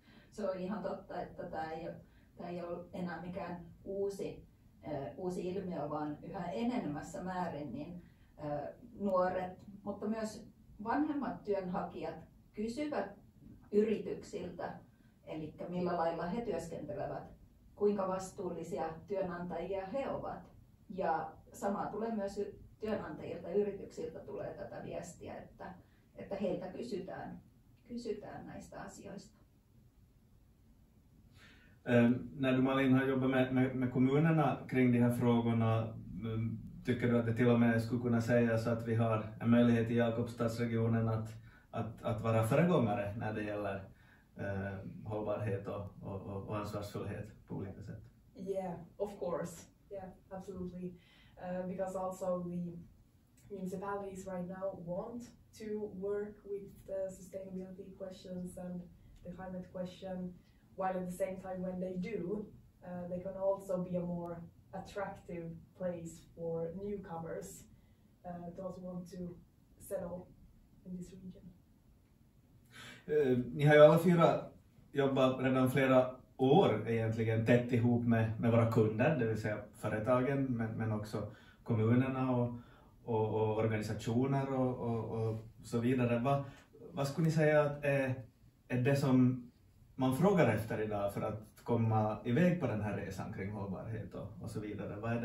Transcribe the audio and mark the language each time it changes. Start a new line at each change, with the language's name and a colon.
Finnish: Se on ihan totta, että tämä ei ole enää mikään uusi ilmiö, vaan yhä enemmässä määrin niin nuoret, mutta myös vanhemmat työnhakijat kysyvät yrityksiltä, eli millä lailla he työskentelevät, kuinka vastuullisia työnantajia he ovat. Ja samaa tulee myös työnantajilta, yrityksiltä tulee tätä viestiä, että heiltä kysytään näistä asioista.
Swedish: När du Malin har jobbat med kommunerna kring de här frågorna, tycker du att det till och med skulle kunna sägas att vi har en möjlighet i Jakobstadsregionen att vara föregångare när det gäller hållbarhet och ansvarsfullhet på olika sätt?
English: Yeah, of course. Yeah, absolutely. Because also the municipalities right now want to work with the sustainability questions and the climate question. While at the same time, when they do, they can also be a more attractive place for newcomers that also want to settle in this region.
Swedish: Ni har ju alla fyra jobbat redan flera år egentligen tätt ihop med våra kunder, det vill säga företagen, men också kommunerna och organisationer och så vidare. Vad skulle ni säga är det som man frågar efter idag för att komma iväg på den här resan kring hållbarhet och så vidare.